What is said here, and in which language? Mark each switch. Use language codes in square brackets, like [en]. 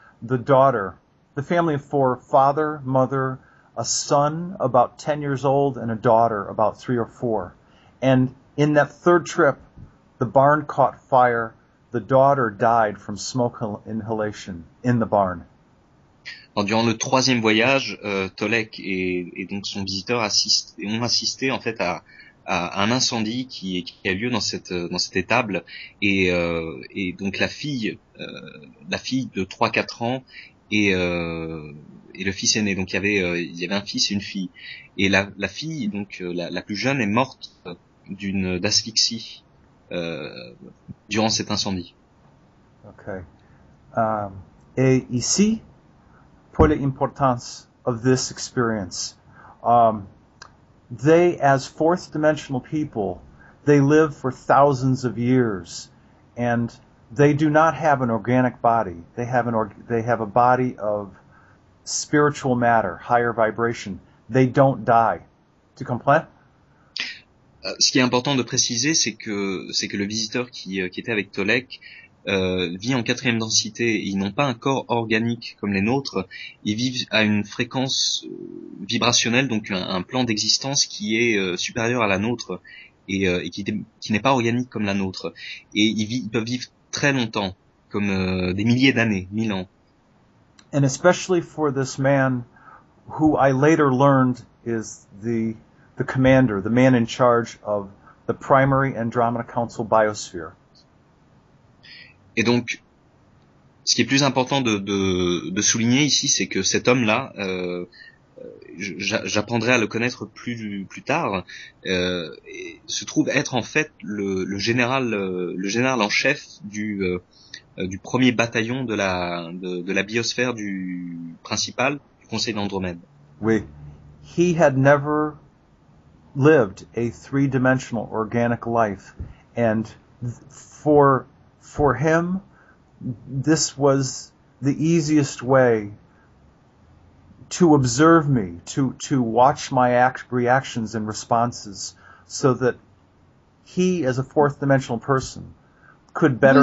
[en] The daughter, the family of four, father, mother, a son about 10 years old, and a daughter about 3 or 4. And in that third trip, the barn caught fire. The daughter died from smoke inhalation in the barn. [fr] Durant le troisième voyage, Tolek et donc son visiteur ont assisté en fait à un incendie qui a lieu dans cette étable, et donc la fille de 3-4 ans et le fils aîné. Donc il y avait un fils et une fille, et la fille, donc la plus jeune, est morte d'asphyxie durant cet incendie. OK. Et ici, pour l'importance [en] of this experience, they, as fourth dimensional people, they live for thousands of years, and they do not have an organic body. They have a body of spiritual matter, higher vibration. They don't die. [fr] Tu comprends? Ce qui est important de préciser, c'est que le visiteur qui était avec Tolek vit en quatrième densité. Ils n'ont pas un corps organique comme les nôtres. Ils vivent à une fréquence vibrationnelle, donc un plan d'existence qui est supérieur à la nôtre et qui n'est pas organique comme la nôtre. Et ils peuvent vivre très longtemps, comme des milliers d'années, 1000 ans. [en] And especially for this man, who I later learned is the commander, the man in charge of the primary Andromeda Council biosphere. [fr] Et donc, ce qui est plus important de souligner ici, c'est que cet homme-là, j'apprendrai à le connaître plus tard, se trouve être en fait le général en chef du premier bataillon de la biosphère du principal du Conseil d'Andromède. [en] Oui, he had never lived a three-dimensional organic life, and for him, this was the easiest way to observe me, to watch my reactions and responses, so that he, as a fourth dimensional person, could better...